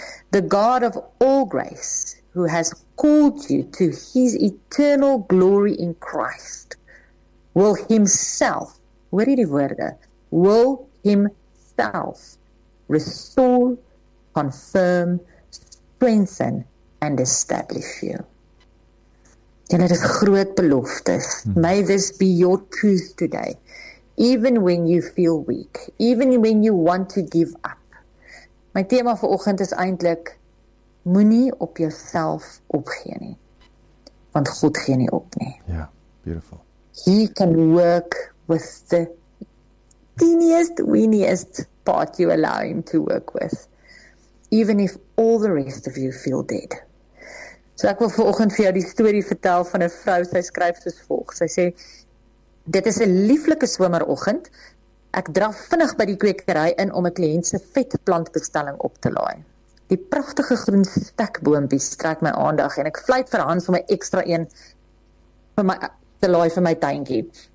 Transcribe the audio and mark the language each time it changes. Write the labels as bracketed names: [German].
[English] The God of all grace, who has called you to his eternal glory in Christ, will himself, [Afrikaans] hoor hierdie woorde, [English] will himself restore, confirm, strengthen, and establish you. [Afrikaans] En dit is groot beloftes. [English] May this be your truth today. Even when you feel weak, even when you want to give up. [Afrikaans] My tema vir oggend is eintlik, moenie op jouself opgee nie, want God gee nie op nie. [English] Ja, yeah, beautiful. He can work with the teeniest, weeniest part you allow him to work with, even if all the rest of you feel dead. [Afrikaans] So ek wil vanoggend vir jou die storie vertel van 'n vrou, sy skryf soos volg. Sy sê, dit is 'n lieflike someroggend. Ek draf vinnig by die kwekery in om 'n kliënt se vetplantbestelling op te laai. Die pragtige groen stekboompies trek my aandag en ek fluit vir Hans om 'n ekstra een vir my te laai vir my tuintjie.